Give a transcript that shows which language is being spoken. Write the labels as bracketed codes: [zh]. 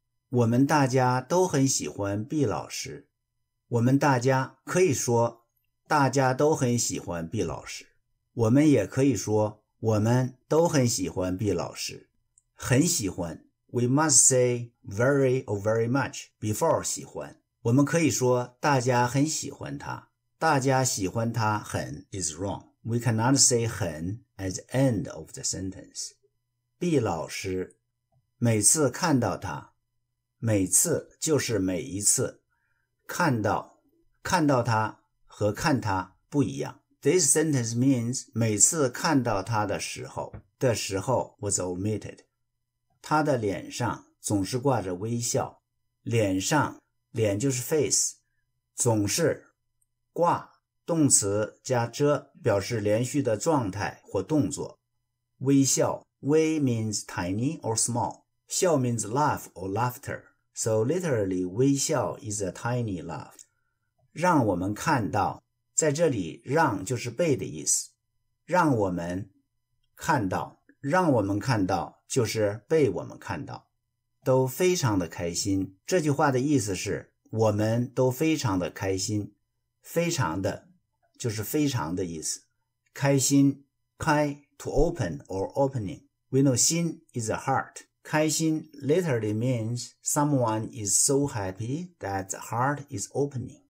[zh] 我们大家都很喜欢毕老师，我们大家可以说大家都很喜欢毕老师，我们也可以说我们都很喜欢毕老师，很喜欢 [en] We must say very or very much before [zh] 喜欢。我们可以说大家很喜欢他，大家喜欢他很 [en] is wrong. We cannot say 很 as end of the sentence. [zh] 毕老师每次看到他，每次就是每一次，看到，看到他和看他不一样。 [en] This sentence means [zh] 每次看到他的时候，的时候 [en] was omitted. [zh] 他的脸上总是挂着微笑，脸上，脸就是 face, 总是挂，动词加遮表示连续的状态或动作。 [en] 微笑，微 means tiny or small, 笑 means laugh or laughter, so literally 微笑 is a tiny laugh. [zh] 让我们看到，在这里让就是被的意思，让我们看到，让我们看到就是被我们看到，都非常的开心。这句话的意思是我们都非常的开心，非常的就是非常的意思，开心，开 [en] to open or opening. We know 心 is a heart. 开心 literally means someone is so happy that the heart is opening.